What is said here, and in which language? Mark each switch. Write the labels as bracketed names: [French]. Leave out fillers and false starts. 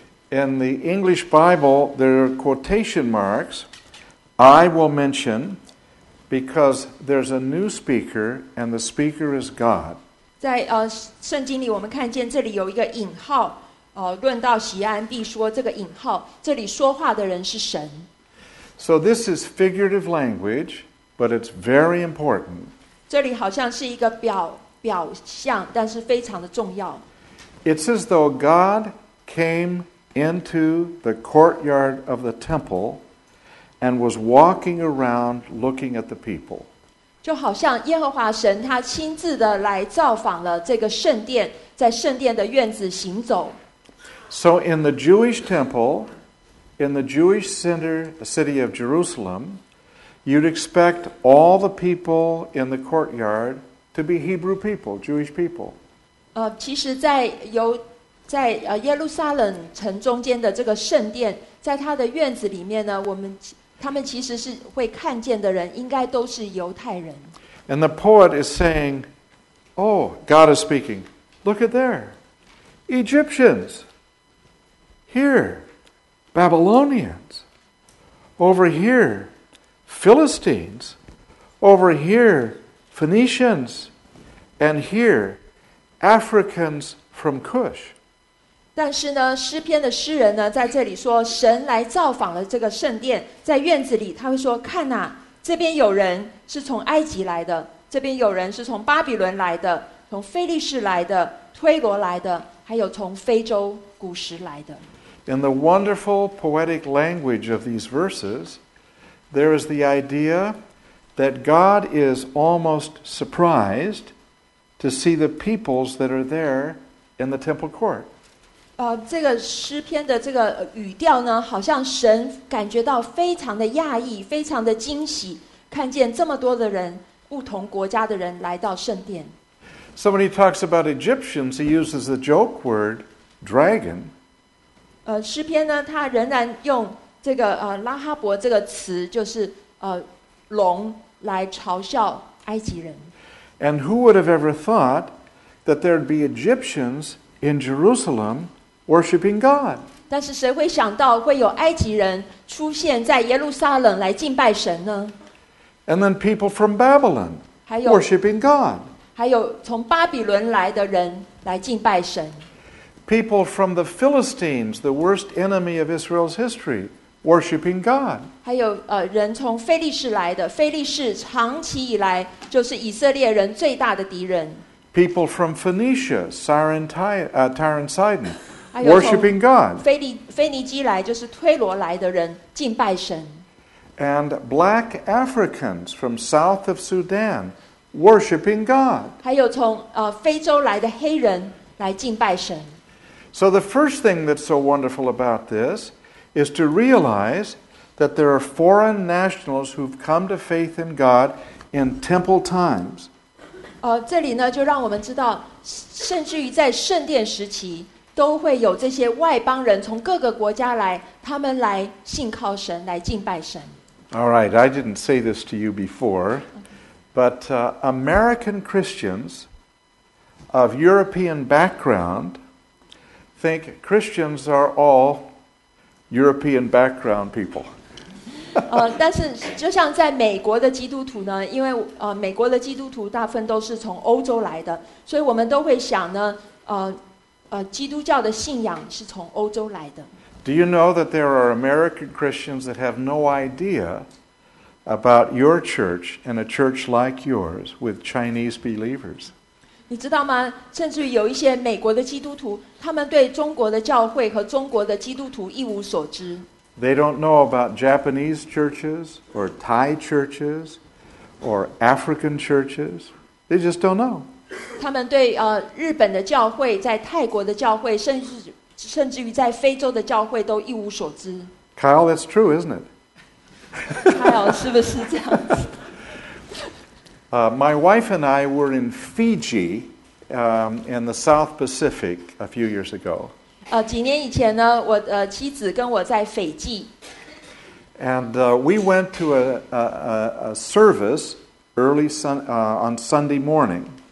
[English] In the English Bible, there are quotation marks. I will mention because there's a new speaker, and the speaker is God. [Chinese] 在圣经里我们看见这里有一个引号论到锡安必说这个引号这里说话的人是神。 [English] So this is figurative language, but it's very important. [Chinese] 这里好像是一个表象但是非常的重要。 [English] It's as though God came into the courtyard of the temple and was walking around looking at the people. [Chinese] 就好像耶和华神他亲自的来造访了这个圣殿，在圣殿的院子行走。 [English] So in the Jewish temple, in the Jewish center, the city of Jerusalem, you'd expect all the people in the courtyard to be Hebrew people, Jewish people. [Chinese] 其实在由在耶路撒冷城中间的这个圣殿，在他的院子里面呢，我们他们其实是会看见的人，应该都是犹太人。 [English] And the poet is saying, "Oh, God is speaking. Look at there, Egyptians. Here, Babylonians. Over here, Philistines. Over here, Phoenicians. And here, Africans from Cush." [Chinese] 但是呢，诗篇的诗人呢，在这里说，神来造访了这个圣殿，在院子里，他会说：“看哪、啊，这边有人是从埃及来的。” 这边有人是从巴比伦来的，从腓力士来的，推罗来的，还有从非洲古时来的。 [English] In the wonderful poetic language of these verses, there is the idea that God is almost surprised to see the peoples that are there in the temple court. [Chinese] 这个诗篇的这个语调呢，好像神感觉到非常的讶异，非常的惊喜，看见这么多的人。不同国家的人来到圣殿。 [English] So when he talks about Egyptians, he uses the joke word dragon. [Chinese] 诗篇呢，他仍然用这个拉哈伯这个词，就是龙来嘲笑埃及人。 [English] And who would have ever thought that there'd be Egyptians in Jerusalem worshiping God? [Chinese] 但是谁会想到会有埃及人出现在耶路撒冷来敬拜神呢？ [English] And then people from Babylon worshiping God. [Chinese] 还有从巴比伦来的人来敬拜神。 [English] People from the Philistines, the worst enemy of Israel's history, worshiping God. [Chinese] 还有人从腓力士来的，腓力士长期以来就是以色列人最大的敌人。 [English] People from Phoenicia, Tyre and Sidon, worshiping God. [Chinese] 腓尼基来就是推罗来的人敬拜神。 [English] And black Africans from south of Sudan worshiping God. [Chinese] 还有从非洲来的黑人来敬拜神。 [English] So the first thing that's so wonderful about this is to realize that there are foreign nationals who've come to faith in God in temple times. [Chinese] 这里呢就让我们知道，甚至于在圣殿时期，都会有这些外邦人从各个国家来，他们来信靠神，来敬拜神。 [English] All right, I didn't say this to you before, but American Christians of European background think Christians are all European background people. [Chinese] 但是就像在美国的基督徒呢，因为美国的基督徒大部分都是从欧洲来的，所以我们都会想呢，基督教的信仰是从欧洲来的。 [English] Do you know that there are American Christians that have no idea about your church and a church like yours with Chinese believers? [Chinese] 你知道吗？甚至有一些美国的基督徒，他们对中国的教会和中国的基督徒一无所知。 [English] They don't know about Japanese churches or Thai churches or African churches. They just don't know. [Chinese] 他们对日本的教会，在泰国的教会，甚至于在非洲的教会都一无所知。 [English] Kyle, that's true, isn't it? [Chinese] Kyle, 是不是这样子？ [English] My wife and I were in Fiji, in the South Pacific a few years ago. [Chinese] 几年以前呢，我妻子跟我在斐济。 [English] And we went to a service early on Sunday morning.